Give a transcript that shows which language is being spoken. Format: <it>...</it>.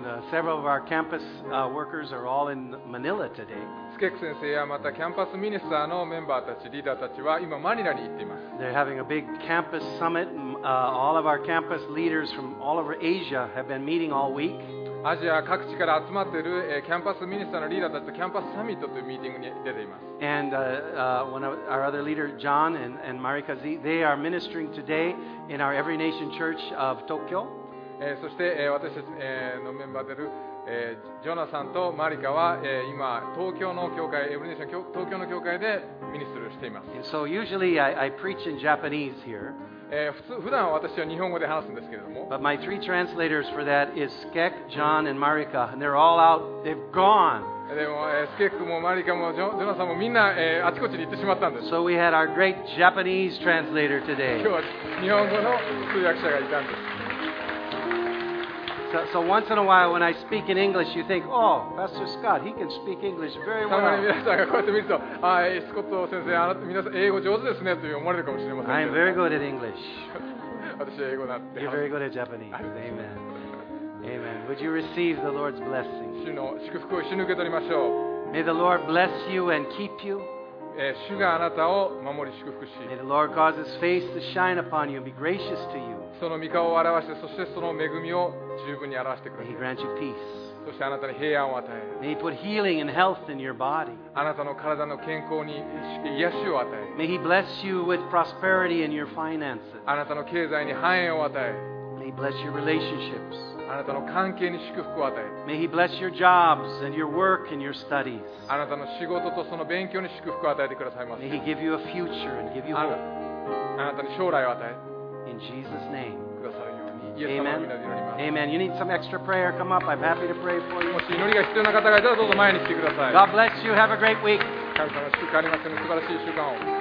<en>several of our campus workers are all in Manila today.</en> <ja>Skek 先生やまたキャンパスミニスターのメンバーたち、リーダーたちは今マニラに行っています。</ja> <en>They're having a big campus summit. All of our campus leaders from all over Asia have been meeting all week.</en> <ja>アジア各地から集まっているキャンパスミニスターのリーダーたちとキャンパスサミットというミーティングに出ています。</ja> <en>And one of our other leaders, John and Marika Z, they are ministering today in our Every Nation Church of Tokyo.</en> <ja>そして私たちのメンバーであるジョナサンとマリカは今東京の教会、エブリネーション東京の教会でミニストリーをしています。</ja> <en>So usually I preach in Japanese here.</en> <ja>普段は私は日本語で話すんですけれども。</ja> <en>But my three translators for that is Skek, John, and Marika, and they're all out. They've gone.</en> <ja>でもスケックもマリカもジョナサンもみんな、あちこちに行ってしまったんです。</ja> <en>So we had our great Japanese translator today.</en> <ja>今日は日本語の通訳者がいたんです。</ja> <en>So once in a while when I speak in English, you think, oh, Pastor Scott, he can speak English very well.</en> <ja>たまに皆さんがこうやって見ると、ああ、スコット先生、あなた、皆さん英語上手ですねと思われるかもしれません。</ja> <en>I'm very good at English.</en> <ja>私は英語なって。</ja> <en>You're very good at Japanese. Amen. Amen. Would you receive the Lord's blessing?</en> <ja>主の祝福を一緒に受け取りましょう。</ja> <en>May the Lord bless you and keep you.</en> <ja>主があなたを守り祝福し。</ja> <en>May the Lord cause His face to shine upon you and be gracious to you.</en> <ja>その御顔を表して、そしてその恵みを十分に表してくれる。</ja> <en>He grant you peace.</en> <ja>そしてあなたに平安を与え。</ja> <en>May he put healing and health in your body.</en> <ja>あなたの体の健康に癒しを与え。</ja> <en>May he bless you with prosperity in your finances.</en> <ja>あなたの経済に繁栄を与え。</ja> <en>May he bless your relationships.</en> <ja>あなたの関係に祝福を与え。</ja> <en>May he bless your jobs and your work and your studies.</en> <ja>あなたの仕事とその勉強に祝福を与えてくださいませ。</ja> <en>May he give you a future and give you hope.</en> <ja>あなたに将来を与え。</ja> <en>In Jesus' name. Amen. Amen. You need some extra prayer? Come up. I'm happy to pray for you.</en> <ja>もし祈りが必要な方がいたらどうぞ前に来てください。</ja> <en>God bless you. Have a great week.</en> <ja>神様、祝福ありますように素晴らしい週間を。</ja>